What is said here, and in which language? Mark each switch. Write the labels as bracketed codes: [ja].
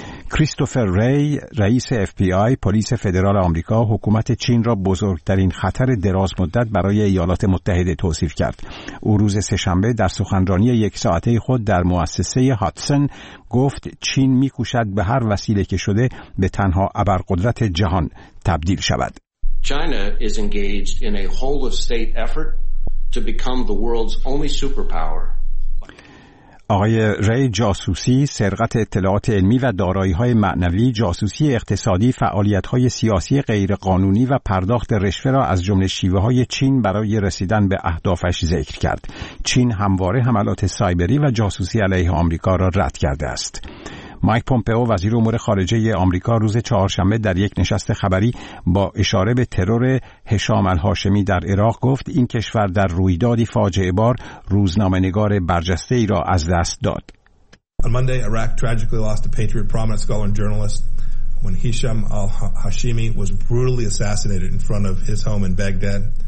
[fa] کریستوفر ری رئیس اف بی آی پلیس فدرال آمریکا حکومت چین را بزرگترین خطر دراز مدت برای ایالات متحده توصیف کرد. او روز سه‌شنبه در سخنرانی یک ساعته خود در مؤسسه هاتسن گفت چین می‌کوشد به هر وسیله که شده به تنها ابرقدرت جهان تبدیل شود. [en] China is engaged in a whole of state effort to become the world's only superpower. [fa] آقای ری جاسوسی، سرقت اطلاعات علمی و دارایی‌های معنوی، جاسوسی اقتصادی، فعالیت‌های سیاسی غیرقانونی و پرداخت رشوه را از جمله شیوه‌های چین برای رسیدن به اهدافش ذکر کرد. چین همواره حملات سایبری و جاسوسی علیه آمریکا را رد کرده است. مایک پومپئو وزیر امور خارجه آمریکا روز چهارشنبه در یک نشست خبری با اشاره به ترور هشام الهاشمی در عراق گفت این کشور در رویدادی فاجعه بار روزنامه‌نگار برجسته ای را از دست داد. [en] On Monday, Iraq tragically lost a patriot, prominent scholar and journalist when Hisham al-Hashimi was brutally assassinated in front of his home in Baghdad.